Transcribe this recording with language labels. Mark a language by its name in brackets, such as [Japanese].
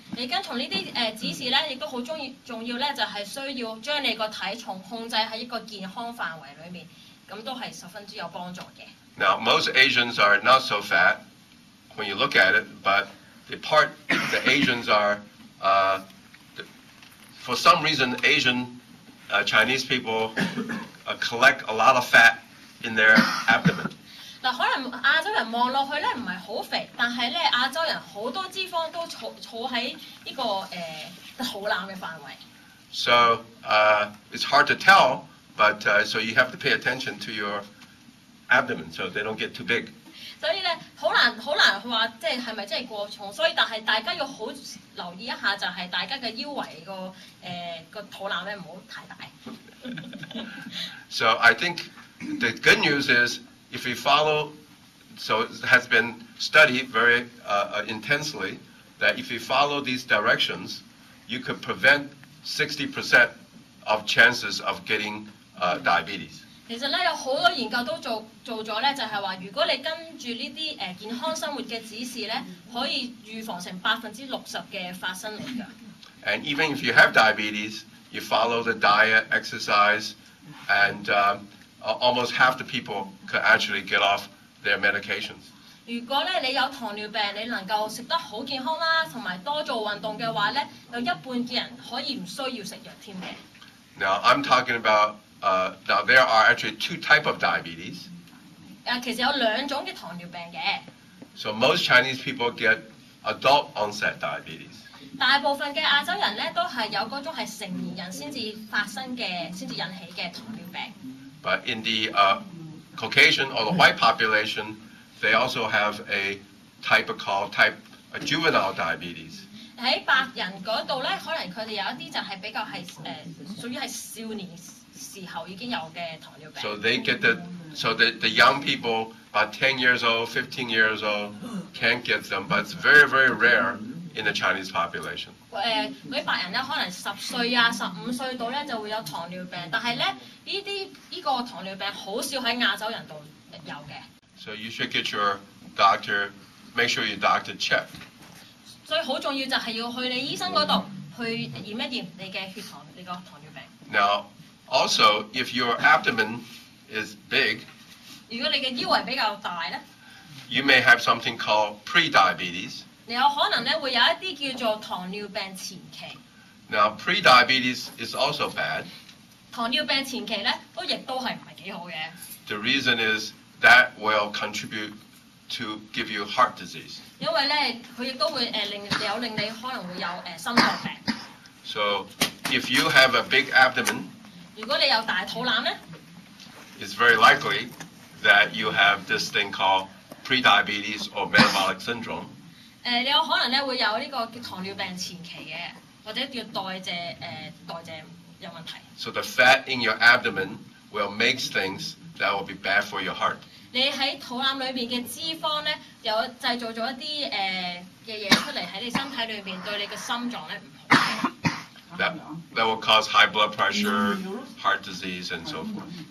[Cantonese] 你跟從呢啲指示咧，亦都好重要咧，就係需要將你個體重控制喺一個健康範圍裏面，咁都係十分之有幫助嘅。 [English] Now, most Asians are not so fat when you look at it, but the part the Asians are, for some reason, Asian Chinese people collect a lot of fat in their abdomen. [Cantonese] 可能亞洲人望落去咧唔係好肥，但係咧亞洲人好多脂肪都儲喺呢個肚腩嘅範圍。 [English] So it's hard to tell, but so you have to pay attention to your abdomen so they don't get too big. [Cantonese] 所以咧好難話即係咪真係過重，所以但係大家要好留意一下，就係大家嘅腰圍個肚腩咧唔好太大。 [English] So I think the good news is. If we follow, so it has been studied very intensely, that if you follow these directions, you could prevent 60% of chances of getting diabetes. [Cantonese] 其實咧有好多研究都做咗咧，就係話如果你跟住呢啲健康生活嘅指示咧，可以預防成60%嘅發生率噶。 [English] And even if you have diabetes, you follow the diet, exercise, and almost half the people could actually get off their medications. [Cantonese] 如果咧你有糖尿病，你能够食得好健康啦，同埋多做运动嘅话咧，有一半嘅人可以唔需要食药添嘅。 [English] Now I'm talking about now there are actually two type of diabetes. [Cantonese] 其实有两种嘅糖尿病嘅。 [English] So most Chinese people get adult onset diabetes. [Cantonese] 大部分嘅亚洲人咧都系有嗰种系成年人先至发生嘅，先至引起嘅糖尿病。 [English] But in the Caucasian or the white population, they also have a type called a juvenile diabetes. [Cantonese] 喺白人嗰度咧，可能佢哋有一啲就係比較係屬於係少年時候已經有嘅糖尿病。 [English] So they get the So the young people, about 10 years old, 15 years old, can't get them, but it's very, very rare in the Chinese population. [Cantonese] 嗰啲白人咧，可能十歲啊、十五歲到咧就會有糖尿病，但係咧呢個糖尿病好少喺亞洲人度有嘅。 [English] So you should get your doctor, make sure your doctor check. [Cantonese] 最好重要就係要去你醫生嗰度去驗一驗你嘅血糖，你個糖尿病。 [English] Now, also, if your abdomen is big, [Cantonese] 如果你嘅腰圍比較大咧 [English] ，you may have something called pre-diabetes. [Cantonese] 你有可能咧會有一啲叫做糖尿病前期。 [English] Now pre-diabetes is also bad. [Cantonese] 糖尿病前期咧都亦都係唔係幾好嘅。 [English] The reason is that will contribute to give you heart disease. [Cantonese] 因為咧佢亦都會令你可能會有心臟病。 [English] So if you have a big abdomen, [Cantonese] 如果你有大肚腩咧 [English] ，it's very likely that you have this thing called pre-diabetes or metabolic syndrome. [Cantonese] 你有可能咧會有呢個糖尿病前期嘅，或者叫代謝有問題。 [English] So the fat in your abdomen will make things that will be bad for your heart. [Cantonese] 你喺肚腩裏面嘅脂肪咧，有製造咗一啲嘅嘢出嚟喺你身體裏面，對你嘅心臟咧唔好。 [English] That will cause high blood pressure, heart disease, and so forth.